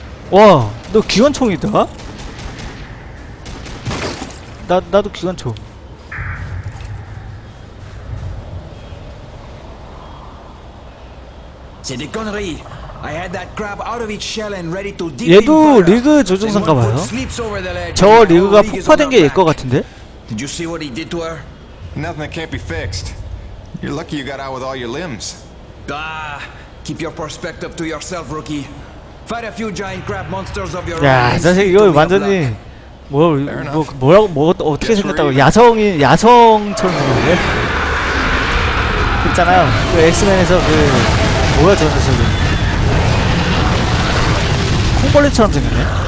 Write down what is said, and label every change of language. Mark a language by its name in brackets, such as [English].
[Korean] 와, 너 기관총이다? 나도 기관총. 제니커너리. [English] I had that crab out of its shell and ready to deep. [Korean] 얘도 리그 조종사인가 봐요. 저 리그가 폭파된 게 일 것 같은데. [English] Did you see what he did to her? Nothing that can't be fixed. You're lucky you got out with all your limbs. Ah, keep your perspective to yourself, rookie. Fight a few giant crab monsters of your own. [Korean] 야, 사실 이거 완전히 뭐라고 어떻게 생겼다고 야성처럼 생겼네. 있잖아요. 그 엑스맨에서 그 뭐야 저 녀석이. 콩벌레처럼 생겼네.